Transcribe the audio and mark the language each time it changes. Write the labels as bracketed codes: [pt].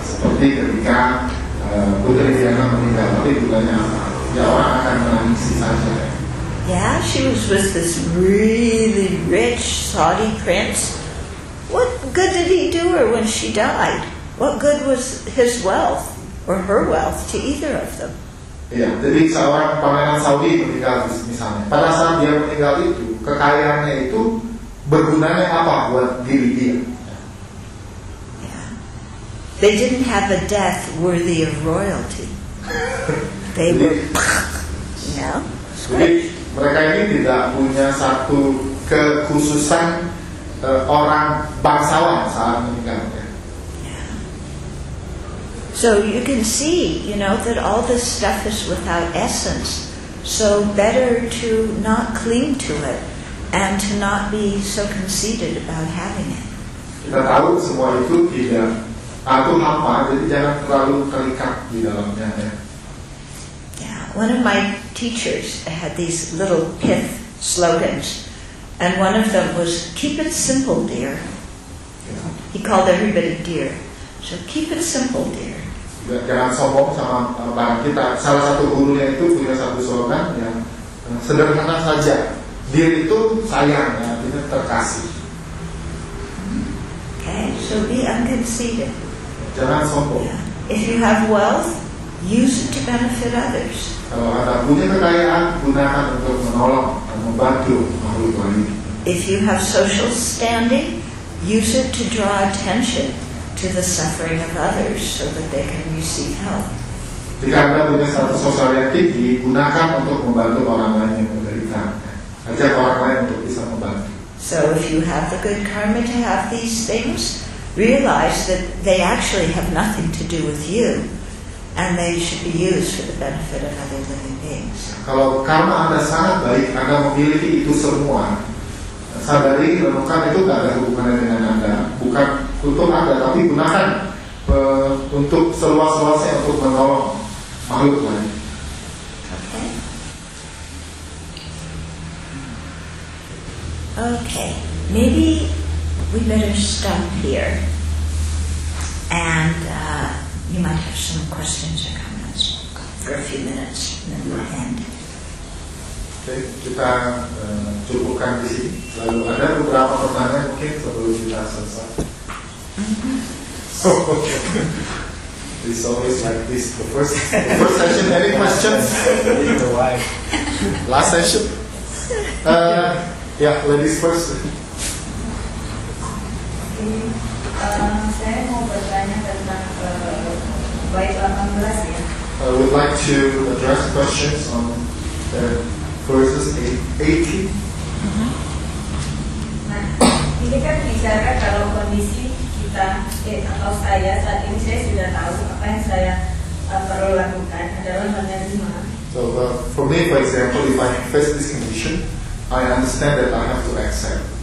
[id] Seperti ketika Putri Diana meninggal, tapi bukannya ya orang akan menangis saja. [en] Yeah, she was with this really rich Saudi prince. What good did he do her when she died? What good was his wealth or her wealth to either of them? [id] Ya, jadi seorang pangeran Saudi meninggal misalnya. Pada saat dia meninggal itu, kekayaannya itu bergunanya apa buat diri dia? [en] Yeah. They didn't have a death worthy of royalty. They [id] jadi, [en] were, you know? [id] Jadi mereka ini tidak punya satu kekhususan orang bangsawan saat meninggal. [en] So you can see, you know, that all this stuff is without essence. So better to not cling to it and to not be so conceited about having it. [id] Kita tahu semua itu tidak atau hampa, jadi jangan terlalu terikat di dalamnya. [en] Yeah, one of my teachers had these little pith slogans, and one of them was, keep it simple, dear. He called everybody dear. So keep it simple, dear. [id] Jangan sombong sama barang kita. Salah satu gurunya itu punya satu slogan yang sederhana saja. Dia itu sayang, ya, dia terkasih. [en] Okay, so be unconceited. [id] Jangan sombong. [en] Yeah. If you have wealth, use it to benefit others. [id] Kalau ada punya kekayaan, gunakan untuk menolong dan membantu makhluk lain. [en] If you have social standing, use it to draw attention to the suffering of others so that they can receive help. [id] Jika Anda punya status sosial yang tinggi, gunakan untuk membantu orang lain yang menderita. Ajak orang lain untuk bisa membantu. [en] So if you have the good karma to have these things, realize that they actually have nothing to do with you and they should be used for the benefit of other living beings. [id] Kalau karma Anda sangat baik, Anda memiliki itu semua. Sadari, renungkan itu tidak ada hubungannya dengan Anda. Bukan untuk Anda, tapi gunakan untuk seluas-luasnya untuk menolong makhluk lain. [en] Okay. Maybe we better stop here. And you might have some questions or comments for a few minutes, and then we'll end. [id] Okay, kita cukupkan di sini. Lalu ada beberapa pertanyaan mungkin sebelum kita selesai. [en] Okay. It's always like this. The first session. Any questions? Why? Last session. Yeah, ladies first. [id] Saya mau bertanya tentang bait 18 ya. [en] I would like to address questions on the verses 18. [id] Nah, ini kan bicara kalau kondisi kita, atau saya saat ini saya sudah tahu apa yang saya perlu lakukan adalah menerima. [en] So for me, for example, if I face this condition, I understand that I have to accept.